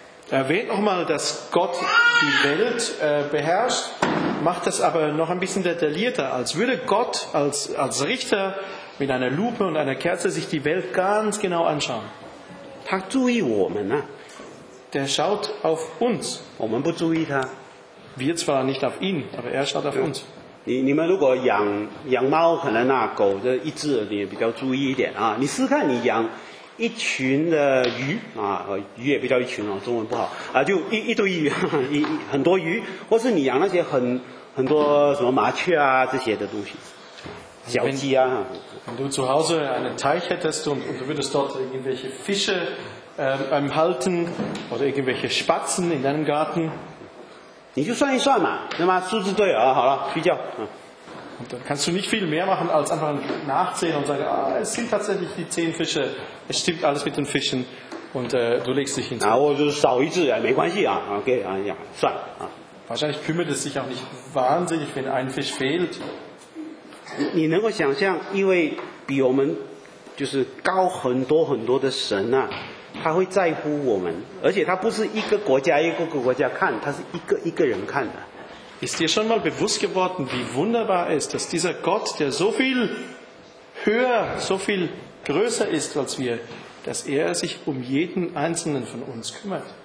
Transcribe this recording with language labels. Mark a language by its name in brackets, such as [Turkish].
[German] Erwähnt nochmal, dass Gott die Welt beherrscht, macht es aber noch ein bisschen detaillierter, als würde Gott als Richter mit einer Lupe und einer Kerze sich die Welt ganz genau anschauen. [Chinese] 他注意我们啊, [German] der schaut auf uns. Wir zwar nicht auf ihn, aber er schaut auf uns. [Chinese] 你们如果养猫，可能啊狗的一只，你也比较注意一点啊。你试试看，你养一群的鱼啊，鱼也比较一群哦，中文不好啊，就一堆鱼，很多鱼，或是你养那些很多什么麻雀啊这些的东西。 [German] Wenn du zu Hause einen Teich hättest und du würdest dort irgendwelche Fische halten oder irgendwelche Spatzen in deinem Garten, [Chinese] 你就算一算嘛, 那么数字对了, [German] und dann kannst du nicht viel mehr machen, als einfach nachzählen und sagen, ah, es sind tatsächlich die 10 Fische, es stimmt alles mit den Fischen und du legst dich hin. [Chinese] 啊,我就少一只,没关系啊, okay, 啊,算, [German] wahrscheinlich kümmert es sich auch nicht wahnsinnig, wenn ein Fisch fehlt. [Chinese] 你能够想象一位比我们就是高很多很多的神啊, 他会在乎我们, 而且他不是一个国家一个国家看, 他是一个一个人看的。 [German] Ist dir schon mal bewusst geworden, wie wunderbar es ist, dass dieser Gott, der so viel höher, so viel größer ist als wir, dass er sich um jeden einzelnen von uns kümmert?